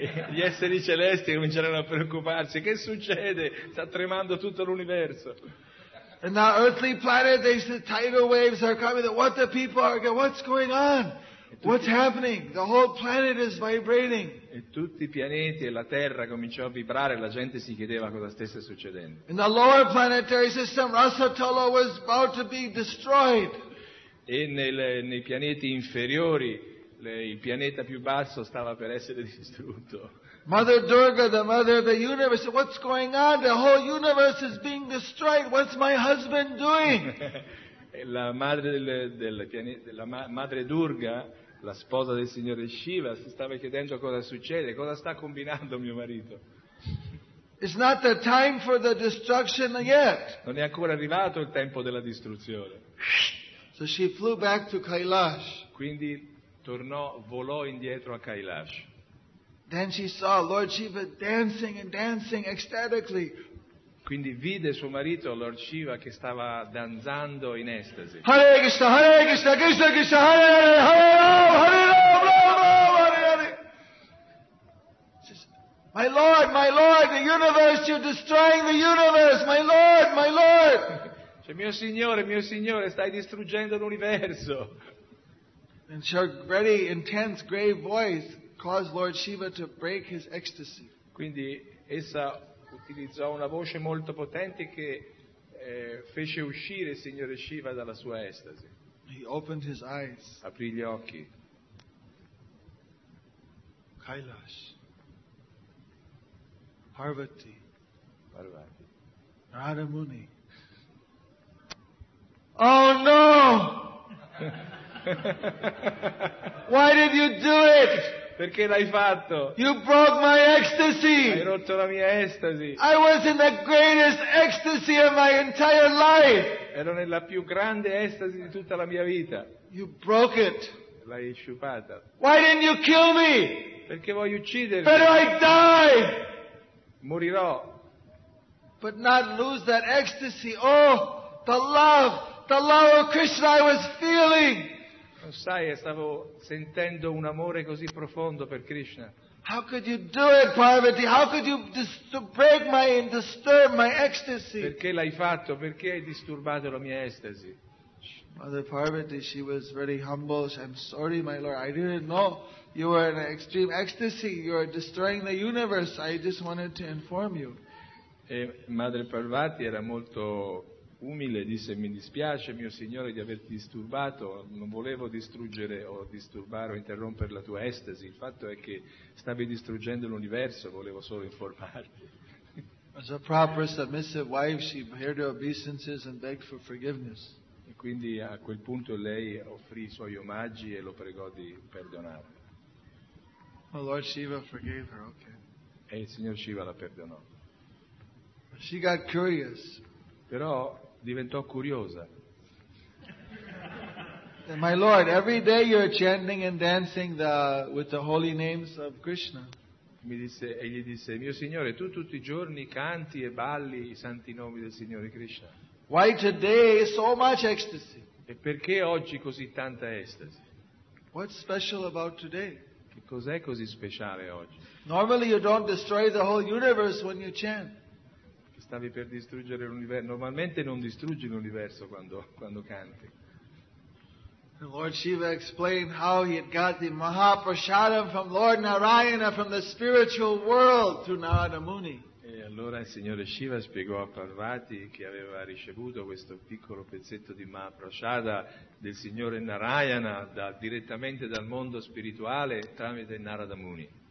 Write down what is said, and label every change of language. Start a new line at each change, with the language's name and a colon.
Italian: Gli esseri celesti cominceranno a preoccuparsi. Che succede? Sta tremando tutto l'universo.
English: And now earthly planet, the tidal waves are coming. What the people are? What's going on? What's happening? The whole planet is vibrating.
Italian: E tutti i pianeti e la Terra cominciò a vibrare. La gente si chiedeva cosa stesse succedendo.
English: In the lower planetary system, Rasatala was about to be destroyed.
Italian: E nei pianeti inferiori. Il pianeta più basso stava per essere distrutto.
English: Mother Durga, the mother of the universe, what's going on? The whole universe is being destroyed. What's my husband doing?
Italian: La madre del pianeta, la madre Durga, la sposa del signore Shiva, si stava chiedendo cosa succede, cosa sta combinando mio marito.
English: It's not the time for the destruction yet.
Italian: Non è ancora arrivato il tempo della distruzione.
English: So she flew back to Kailash.
Italian: Quindi tornò, volò indietro a Kailash.
English: Then she saw Lord Shiva dancing and dancing ecstatically.
Italian: Quindi vide suo marito Lord Shiva che stava danzando in estasi.
Sanskrit: Hare Krishna, Hare Krishna, Krishna Krishna, Hare Hare, Hare Rama, Hare Rama, Rama Rama, Hare Hare.
English: My Lord, the universe, you're destroying the universe, my Lord.
Italian: Cioè, mio Signore, stai distruggendo l'universo.
English: And her very intense, grave voice caused Lord Shiva to break his ecstasy.
Italian: Quindi essa utilizzò una voce molto potente che fece uscire il signore Shiva dalla sua estasi.
English: He opened his eyes.
Italian: Aprì gli occhi.
English: Kailash. Parvati. Parvati. Narada Muni. Oh no! Why did you do it?
Italian: Perché l'hai fatto?
English: You broke my ecstasy.
Italian: Hai rotto la mia estasi.
English: I was in the greatest ecstasy of my entire life.
Italian: Ero nella più grande estasi di tutta la mia vita.
English: You broke it.
Italian: L'hai sciupata.
English: Why didn't you kill me?
Italian: Perché vuoi uccidermi?
English: But I die.
Italian: Morirò.
English: But not lose that ecstasy. Oh, the love. The love of Krishna I was feeling.
Italian: Non sai, stavo sentendo un amore così profondo per Krishna.
English: How could you do it, Parvati? How could you break my and disturb my ecstasy?
Italian: Perché l'hai fatto? Perché hai disturbato la mia estasi?
English: Mother Parvati, she was very humble. She, I'm sorry, my Lord. I didn't know you were in extreme ecstasy. You are destroying the universe. I just wanted to inform you.
Italian: E Madre Parvati era molto umile, disse: mi dispiace, mio Signore, di averti disturbato, non volevo distruggere o disturbare o interrompere la tua estasi, il fatto è che stavi distruggendo l'universo, volevo solo informarti.
English: As a proper submissive wife, she paid her obeisances and begged for forgiveness.
Italian: E quindi a quel punto lei offrì i suoi omaggi e lo pregò di perdonarla.
English: The Lord Shiva forgave her, okay.
Italian: E il Signor Shiva la perdonò.
English: She got curious.
Italian: Però diventò curiosa.
English: My Lord, every day you're chanting and dancing with the holy names of Krishna.
Italian: Mi disse, e gli disse: mio Signore, tu tutti i giorni canti e balli i santi nomi del Signore Krishna.
English: Why today so much ecstasy?
Italian: E perché oggi così tanta estasi?
English: What's special about today?
Italian: Che cos'è così speciale oggi?
English: Normally you don't destroy the whole universe when you chant.
Italian: Stavi per distruggere l'universo. Normalmente non distruggi l'universo quando canti.
English: The Lord Shiva explained how he had got the Mahaprasadam from Lord Narayana from the spiritual world through Narada Muni.
Italian: E allora il Signore Shiva spiegò a Parvati che aveva ricevuto questo piccolo pezzetto di Mahaprasada del Signore Narayana direttamente dal mondo spirituale tramite Narada Muni.